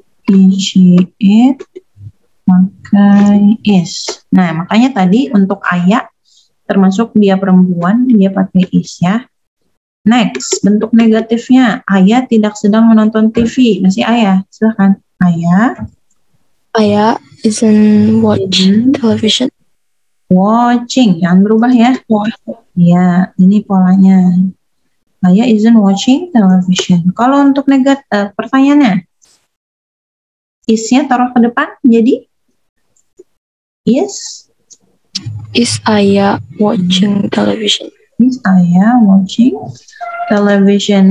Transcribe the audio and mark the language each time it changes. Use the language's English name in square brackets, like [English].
[English] He, she, it pakai is. [Indonesian] Nah, makanya tadi untuk Aya, termasuk dia perempuan, dia pakai is ya. Next, bentuk negatifnya. Aya tidak sedang menonton TV. Masih Aya, silahkan. Aya. [English] Aya isn't watching television. [Indonesian] Watching, jangan berubah ya. Iya, ini polanya. [English] Aya isn't watching television. [Indonesian] Kalau untuk negatif, pertanyaannya, isnya taruh ke depan, jadi is? [English] Is Aya watching television? Is Aya watching television?